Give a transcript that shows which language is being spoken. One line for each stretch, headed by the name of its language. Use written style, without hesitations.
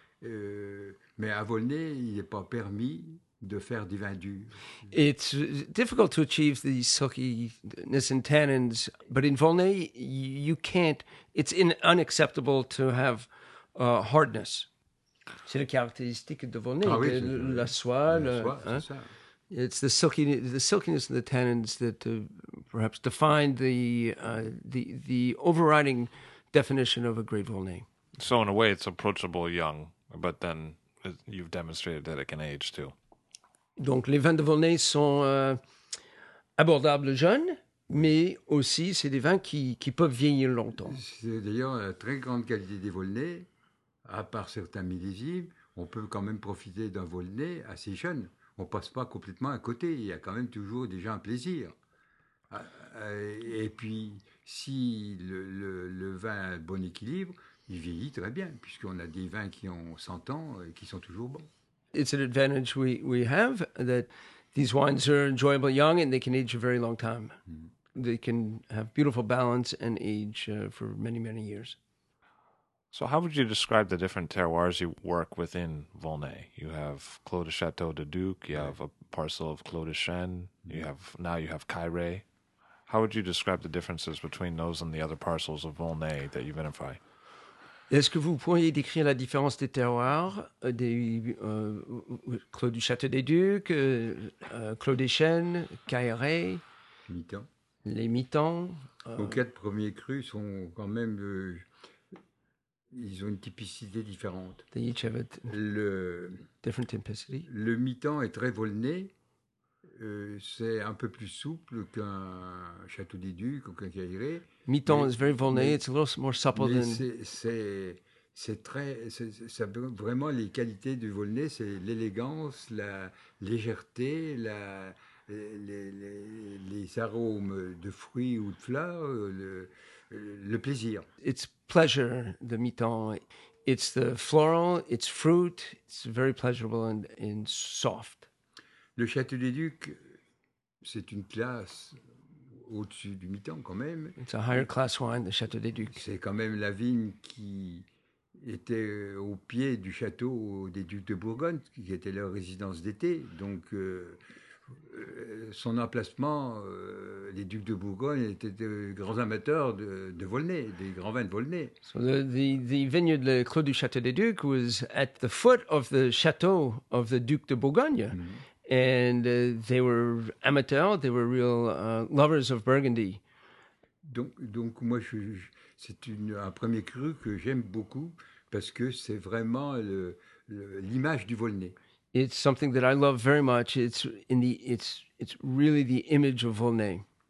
French: Mais à Volnay, il n'est pas permis de faire du vin dur.
English: It's difficult to achieve the silkiness and tannins, but in Volnay, you can't. It's unacceptable to have hardness.
French: C'est la caractéristique de Volnay, ah oui, de la soie.
English: It's the silkiness and the tannins that perhaps define the overriding definition of a great Volnay. So in a way, it's approachable young, but then you've demonstrated that it can age too.
French: Donc les vins de Volnay sont abordables jeunes, mais aussi c'est des vins qui peuvent vieillir longtemps. C'est d'ailleurs la très grande qualité des Volnay, à part certains millésimes, on peut quand même profiter d'un Volnay assez jeune. On passe pas complètement à côté, il y a quand même toujours déjà un plaisir. Et puis, si le vin a un bon équilibre, il vieillit très bien, puisqu'on a des vins qui ont 100 ans et qui sont toujours bons.
English: It's an advantage we have, that these wines are enjoyable young and they can age a very long time. They can have beautiful balance and age for many, many years. So how would you describe the different terroirs you work within Volnay? You have Clos de Château de Duc, you have a parcel of Clos de Chêne, You have now you have Kyrae. How would you describe the differences between those and the other parcels of Volnay that you identify?
French: Est-ce que vous pourriez décrire la différence des terroirs des Clos du Château des Ducs, Clos des Chênes, Kyrae, Mitant. Les Mitants. Nos quatre premiers crus sont quand même ils ont une typicité différente.
English: They each have a different typicity.
French: Le Mitant est très volné. C'est un peu plus souple qu'un Château des Ducs ou qu'un Cailleret.
English: Mitant is very volné. It's a little more supple
French: mais
English: than.
French: C'est vraiment les qualités du volné, c'est l'élégance, la légèreté, les arômes de fruits ou de fleurs, le plaisir.
English: It's pleasure, the Mitant. It's the floral, it's fruit, it's very pleasurable and soft.
French: Le Château des Ducs, c'est une classe au-dessus du Mitant quand même.
English: It's a higher class wine, the Château des Ducs.
French: C'est quand même la vigne qui était au pied du château des Ducs de Bourgogne, qui était leur résidence d'été. Donc, son emplacement, les Ducs de Bourgogne étaient de grands amateurs de Volnay, des grands vins de Volnay.
English: So the vineyard, le Clos du Château des Ducs, was at the foot of the château of the Ducs de Bourgogne. Mm-hmm. And they were amateurs, they were real lovers of Burgundy.
French: Donc moi, c'est un premier cru que j'aime beaucoup parce que c'est vraiment l'image du Volnay.
English: It's something that I love very much. It's really the image of Volnay.